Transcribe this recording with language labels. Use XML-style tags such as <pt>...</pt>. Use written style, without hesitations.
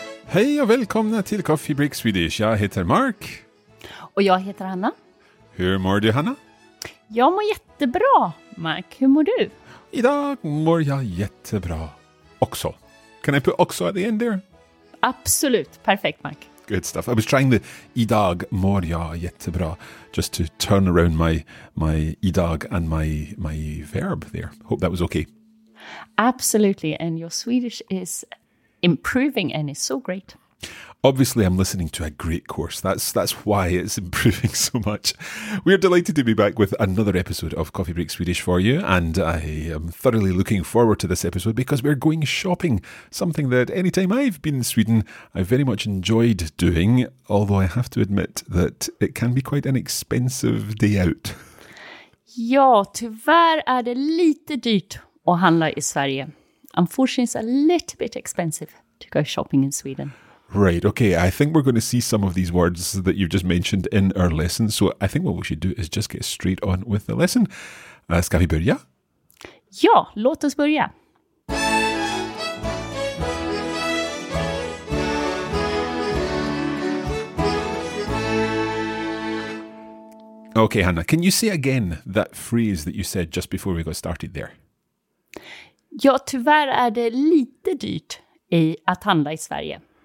<sv>Hej och välkomna till Coffee Break Swedish. Jag heter Mark. Och jag heter Hanna. Hur mår du, Hanna? Jag mår jättebra, Mark. Hur mår du? Idag mår jag jättebra också.</sv> <en>Can I put också at the end there? Absolut. Perfect, Mark. Good stuff. I was trying the</en> <sv>idag mår jag jättebra</sv> <en>just to turn around my idag and my verb there. Hope that was okay. Absolutely. And your Swedish is improving and is so great. Obviously, I'm listening to a great course. That's why it's improving so much. We're delighted to be back with another episode of Coffee Break Swedish for you. And I am thoroughly looking forward to this episode because we're going shopping, something that anytime I've been in Sweden, I very much enjoyed doing. Although I have to admit that it can be quite an expensive day out.</en> <sv>Ja, tyvärr är det lite dyrt att handla i Sverige.</sv> <en>Unfortunately, it's a little bit expensive to go shopping in Sweden. Right, okay. I think we're going to see some of these words that you've just mentioned in our lesson. So I think what we should do is just get straight on with the lesson.</en> <sv>Ska vi börja? Ja, låt oss börja.</sv> <en>Okay, Hanna, can you say again that phrase that you said just before we got started there?</en> <sv>Ja, tyvärr är det lite dyrt i att handla i Sverige.</sv>